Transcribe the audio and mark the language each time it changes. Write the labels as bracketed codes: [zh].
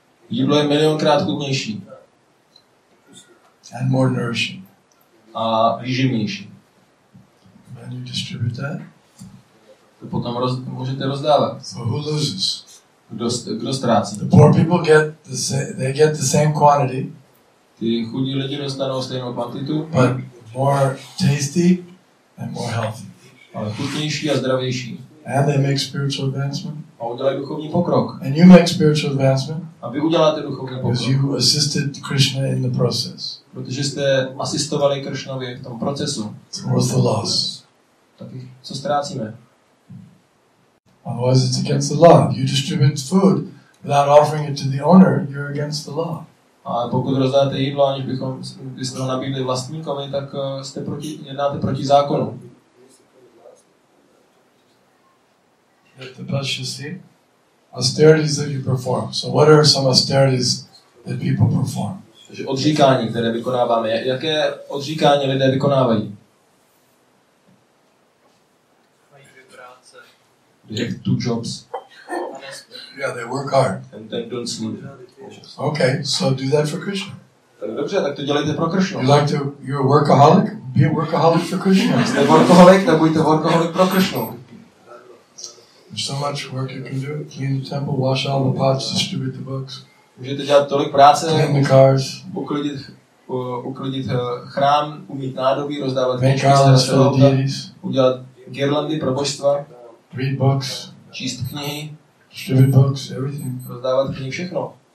[cs] Jídlo je milionkrát chutnější. [en] And more nourishing. [cs] A výživnější. [en] And you distribute that? [cs] To potom můžete rozdávat. [en] So who loses? [cs] Kdo ztrácí? [en] The poor people get the same quantity. [cs] Ty chudí lidi dostanou stejnou kvantitu. [en] But more tasty and more healthy. [cs] Ale chutnější a zdravější. [en] And they make spiritual advancement. [cs] A udělají duchovní pokrok. [en] And you make spiritual advancement. [cs] A vy uděláte duchovní pokrok. [en] Because you assisted Krishna in the process. [cs] Protože jste asistovali Krishnovi v tom procesu. [en] What's the loss? [cs] Taky, co ztrácíme? [en] Otherwise it's against the law. You distribute food without offering it to the owner, you're against the law. [cs] A pokud rozdáte jídlo, aniž bychom to nabídli vlastníkovi, tak jste proti, jednáte proti zákonu. [en] The best you see, austerities that you perform. So what are some austerities that people perform? [cs] Takže odříkání, které vykonáváme. Jaké odříkání lidé vykonávají? Mají práce. [en] Two jobs. Yeah, they work hard. And then don't sleep. Okay, so do that for Krishna. [cs] Tak dobře, tak to dělejte pro Krishna. [en] You like to, you're a workaholic? Be a workaholic for Krishna. [cs] Jste workaholic, tak buďte workaholic pro Krishna. [en] There's so much work you can do. Clean the temple, wash all the pots, distribute the books. [cs] Můžete dělat tolik práce, [en] clean the cars, [cs] uklidit chrám, umít nádobí, rozdávat knihy, udělat girlandy pro božstva, [en] read books, [cs] číst knihy, [en] distribute books, everything. [cs] Rozdávat knihy, všechno.